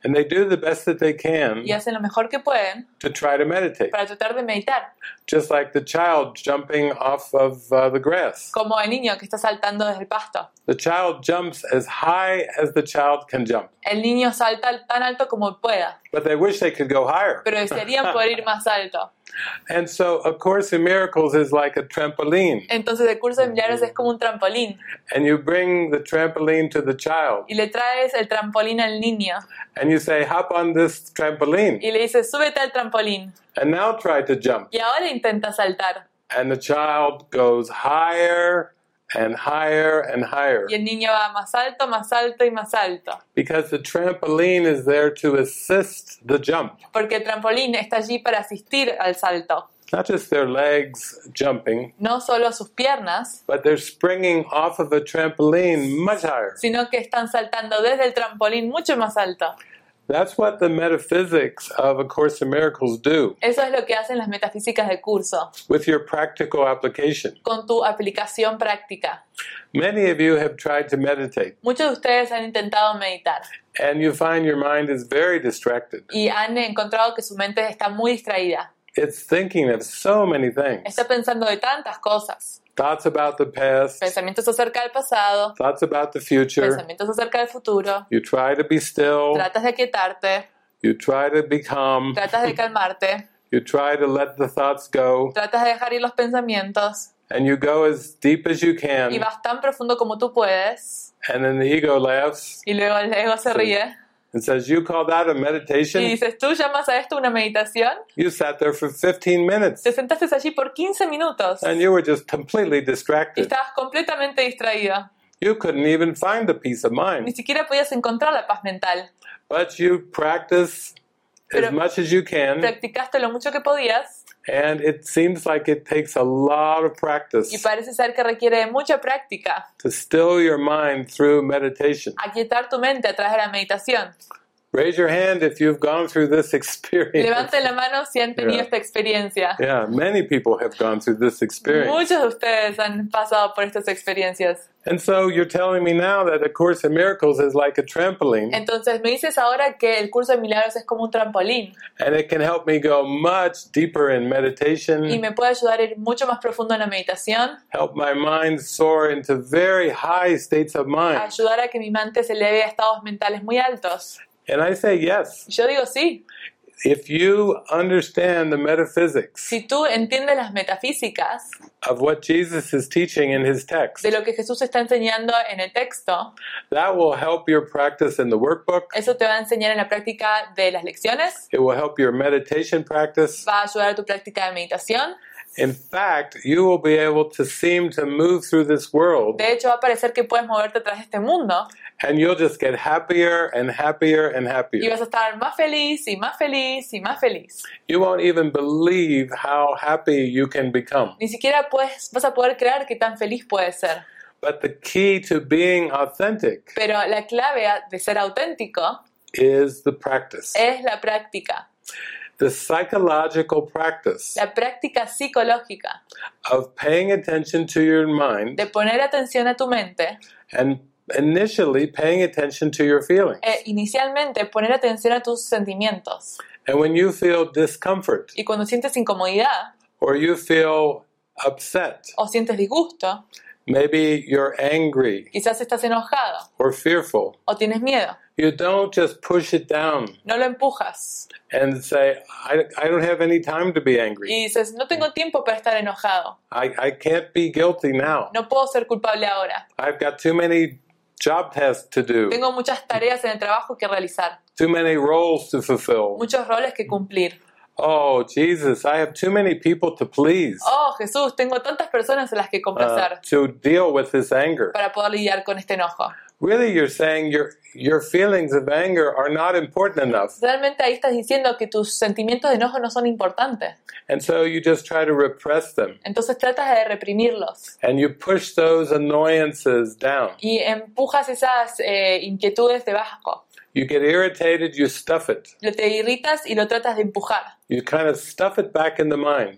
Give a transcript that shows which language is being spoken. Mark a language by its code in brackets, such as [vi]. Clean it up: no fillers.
[en] And they do the best that they can. [es] Y hacen lo mejor que pueden. [en] To try to meditate. [es] Para tratar de meditar. [en] Just like the child jumping off of the grass. [es] Como el niño que está saltando desde el pasto. [en] The child jumps as high as the child can jump. [es] El niño salta tan alto como pueda. [en] But they wish they could go higher. [es] Pero desearían poder ir más alto. [en] And so, A Course in Miracles is like a trampoline. [es] Entonces, El Curso de Milagros es como un trampolín. [en] And you bring the trampoline to the child. [es] Y le traes el trampolín al niño. [en] And you say, "Hop on this trampoline." [es] Y le dices, súbete al trampolín. [en] And now try to jump. [es] Y ahora intenta saltar. [en] And the child goes higher and higher and higher. [es] Y el niño va más alto, más alto y más alto. [en] Because the trampoline is there to assist the jump. [es] Porque el trampolín está allí para asistir al salto. [en] Not just their legs jumping. [es] No solo sus piernas. [en] But they're springing off of a trampoline much higher. [es] Sino que están saltando desde el trampolín mucho más alto. [en] That's what the metaphysics of A Course in Miracles do. [es] Eso es lo que hacen las metafísicas de curso. [en] With your practical application. [es] Con tu aplicación práctica. [en] Many of you have tried to meditate. [es] Muchos de ustedes han intentado meditar. [en] And you find your mind is very distracted. [es] Y han encontrado que su mente está muy distraída. [en] It's thinking of so many things. [es] Está pensando de tantas cosas. [en] Thoughts about the past. [es] Pensamientos acerca del pasado. [en] Thoughts about the future. [es] Pensamientos acerca del futuro. [en] You try to be still. [es] Tratas de quietarte. [en] You try to be calm. [es] Tratas de calmarte. [en] You try to let the thoughts go. [es] Tratas de dejar ir los pensamientos. [en] And you go as deep as you can. [es] Y vas tan profundo como tú puedes. [en] And then the ego laughs. [es] Y luego el ego se ríe. [en] And says, "You call that a meditation?" [es] Y dices, ¿tú llamas a esto una meditación? [en] You sat there for 15 minutes. [es] Te sentaste allí por 15 minutos. [en] And you were just completely distracted. [es] Y estabas completamente distraída. [en] You couldn't even find the peace of mind. [es] Ni siquiera podías encontrar la paz mental. [en] But you practice as much as you can. [es] Practicaste lo mucho que podías. [en] And it seems like it takes a lot of practice. [es] Y parece ser que requiere mucha práctica. [en] To still your mind through meditation. [es] Aquietar tu mente a través de la meditación. [en] Raise your hand if you've gone through this experience. [es] Levanten la mano si han tenido esta experiencia. [en] Yeah, many people have gone through this experience. [es] Muchos de ustedes han pasado por estas experiencias. [en] And so you're telling me now that A Course in Miracles is like a trampoline. [es] Entonces me dices ahora que El Curso de Milagros es como un trampolín. [en] And it can help me go much deeper in meditation. [es] Y me puede ayudar a ir mucho más profundo en la meditación. [en] Help my mind soar into very high states of mind. [es] Ayudar a que mi mente se eleve a estados mentales muy altos. [en] And I say yes. [es] Yo digo sí. [en] If you understand the metaphysics, [es] si tú entiendes las metafísicas [en] of what Jesus is teaching in his text, [es] de lo que Jesús está enseñando en el texto, [en] that will help your practice in the workbook. [es] Eso te va a enseñar en la práctica de las lecciones. [en] It will help your meditation practice. [es] Va a ayudar a tu práctica de meditación. [en] In fact, you will be able to seem to move through this world. [es] De hecho, va a parecer que puedes moverte tras este mundo. [en] And you'll just get happier and happier and happier. [es] Y vas a estar más feliz y más feliz y más feliz. [en] You won't even believe how happy you can become. [es] Ni siquiera puedes, vas a poder creer que tan feliz puedes ser. [en] But the key to being authentic. [es] Pero la clave de ser auténtico [en] is the practice. [es] Es la práctica. [en] The psychological practice, [es] la práctica psicológica, [en] of paying attention to your mind, [es] de poner atención a tu mente, [en] and initially paying attention to your feelings, [es] inicialmente poner atención a tus sentimientos, [en] and when you feel discomfort, [es] y cuando sientes incomodidad, [en] or you feel upset, [es] o sientes disgusto, [en] maybe you're angry, [es] quizás estás enojado, [en] or fearful, [es] o tienes miedo. [en] You don't just push it down. [es] No lo empujas. [en] And say, I don't have any time to be angry. [es] Y dices, no tengo tiempo para estar enojado. [en] I can't be guilty now. [es] No puedo ser culpable ahora. [en] I've got too many job tasks to do. [es] Tengo muchas tareas en el trabajo que realizar. [en] Too many roles to fulfill. [es] Muchos roles que cumplir. [en] Oh, Jesus, I have too many people to please. [es] Oh, Jesús, tengo tantas personas a las que complacer. [en] To deal with this anger. [es] Para poder lidiar con este enojo. [en] Really, you're saying your feelings of anger are not important enough. [es] Realmente ahí estás diciendo que tus sentimientos de enojo no son importantes. [en] And so you just try to repress them. [es] Entonces tratas de reprimirlos. [en] And you push those annoyances down. [es] Y empujas esas inquietudes debajo. [en] You get irritated, you stuff it. [es] Lo te irritas y lo tratas de empujar. [en] You kind of stuff it back in the mind.